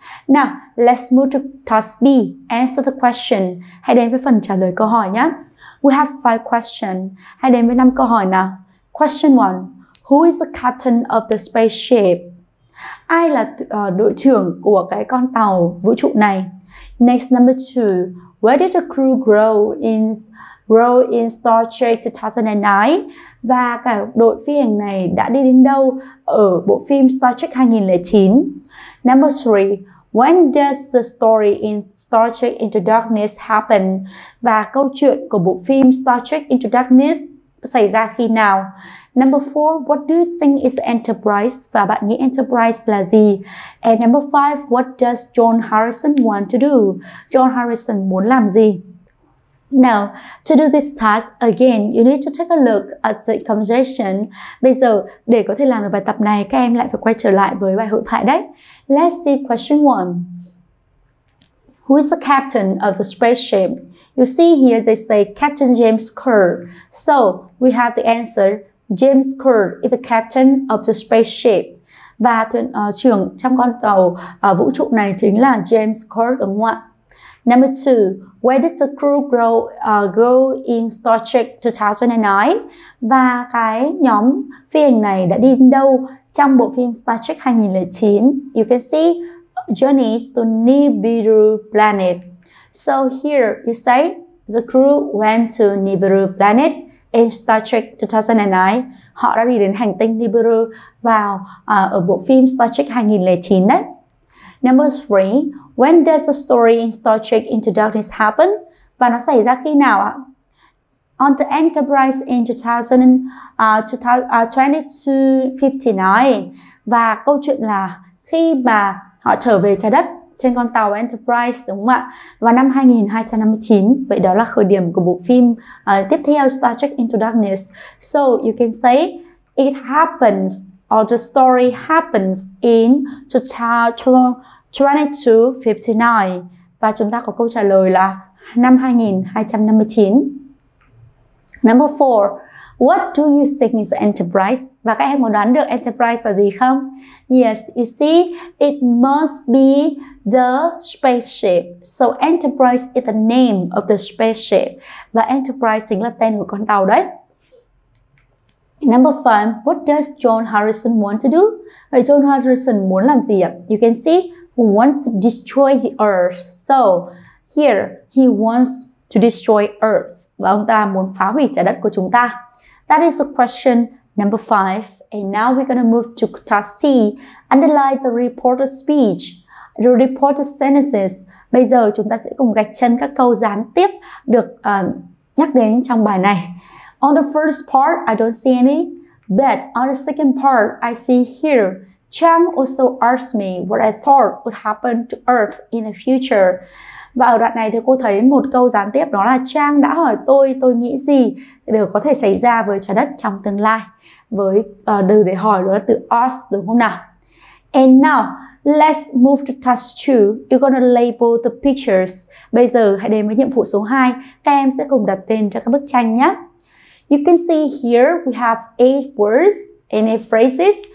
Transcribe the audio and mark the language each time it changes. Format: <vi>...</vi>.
<en>Now, let's move to task B. Answer the question.</en> <vi>Hãy đến với phần trả lời câu hỏi nhé.</vi> <en>We have 5 questions.</en> <vi>Hãy đến với 5 câu hỏi nào.</vi> <en>Question 1. Who is the captain of the spaceship?</en> <vi>Ai là đội trưởng của cái con tàu vũ trụ này?</vi> <en>Next, number 2. Where did the crew grow in Star Trek 2009?</en> <vi>Và cả đội phi hành này đã đi đến đâu ở bộ phim Star Trek 2009?</vi> <en>Number 3. When does the story in Star Trek Into Darkness happen?</en> <vi>Và câu chuyện của bộ phim Star Trek Into Darkness xảy ra khi nào?</vi> <en>Number 4, what do you think is Enterprise?</en> <vi>Và bạn nghĩ Enterprise là gì?</vi> <en>And number 5, what does John Harrison want to do?</en> <vi>John Harrison muốn làm gì?</vi> <en>Now, to do this task again, you need to take a look at the conversation.</en> <vi>Bây giờ, để có thể làm được bài tập này, các em lại phải quay trở lại với bài hội thoại đấy.</vi> <en>Let's see question 1. Who is the captain of the spaceship? You see here they say Captain James Kirk. So, we have the answer. James Kirk is the captain of the spaceship.</en> <vi>Và trưởng trong con tàu vũ trụ này chính là James Kirk đúng không ạ?</vi> <en>Number 2, where did the crew go in Star Trek 2009?</en> <vi>Và cái nhóm phi hành này đã đi đâu trong bộ phim Star Trek 2009?</vi> <en>You can see journeys to Nibiru planet. So here you say the crew went to Nibiru planet in Star Trek 2009.</en> <vi>Họ đã đi đến hành tinh Nibiru vào ở bộ phim Star Trek 2009 đấy.</vi> <en>Number 3, when does the story in Star Trek Into Darkness happen?</en> <vi>Và nó xảy ra khi nào ạ?</vi> <en>On the Enterprise in 2259.</en> <vi>Và câu chuyện là khi mà họ trở về trái đất trên con tàu Enterprise đúng không ạ? Vào năm 2259, vậy đó là khởi điểm của bộ phim tiếp theo Star Trek Into Darkness.</vi> <en>So you can say it happens or the story happens in 2259.</en> <vi>Và chúng ta có câu trả lời là năm 2259.</vi> <en>Number 4. What do you think is enterprise?</en> <vi>Và các em có đoán được enterprise là gì không?</vi> <en>Yes, you see, it must be the spaceship. So enterprise is the name of the spaceship.</en> <vi>Và enterprise chính là tên của con tàu đấy.</vi> <en>Number 5, what does John Harrison want to do?</en> <vi>Vậy John Harrison muốn làm gì ạ?</vi> <en>You can see, he wants to destroy the earth. So here, he wants to destroy earth.</en> <vi>Và ông ta muốn phá hủy trái đất của chúng ta.</vi> <en>That is the question number 5. And now we're going to move to task C. Underline the reporter's speech. The reporter's sentences.</en> <vi>Bây giờ chúng ta sẽ cùng gạch chân các câu gián tiếp được nhắc đến trong bài này.</vi> <en>On the first part, I don't see any. But on the second part, I see here. Chang also asked me what I thought would happen to Earth in the future.</en> <vi>Và ở đoạn này thì cô thấy một câu gián tiếp đó là Trang đã hỏi tôi nghĩ gì đều có thể xảy ra với trái đất trong tương lai. Với từ để hỏi đó là từ ask, đúng không nào?</vi> <en>And now, let's move to task 2. You're gonna label the pictures.</en> <vi>Bây giờ hãy đến với nhiệm vụ số 2. Các em sẽ cùng đặt tên cho các bức tranh nhé.</vi> <en>You can see here we have 8 words and 8 phrases.</en>